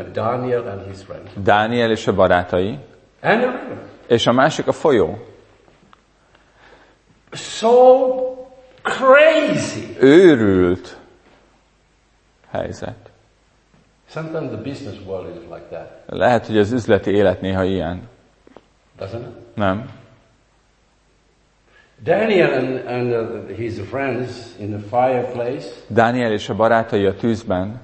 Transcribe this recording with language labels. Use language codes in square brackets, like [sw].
[en] Daniel and his friends. [hu] Daniel és a barátai. [en] And a river. [hu] És a másik a folyó. [en] So crazy. [hu] Őrült helyzet. [en] Sometimes the business world is like that. [hu] Lehet, hogy az üzleti élet néha ilyen. [en] Doesn't it? [hu] Nem. [en] Daniel and his friends in the fireplace. [hu] Daniel és a barátai a tűzben.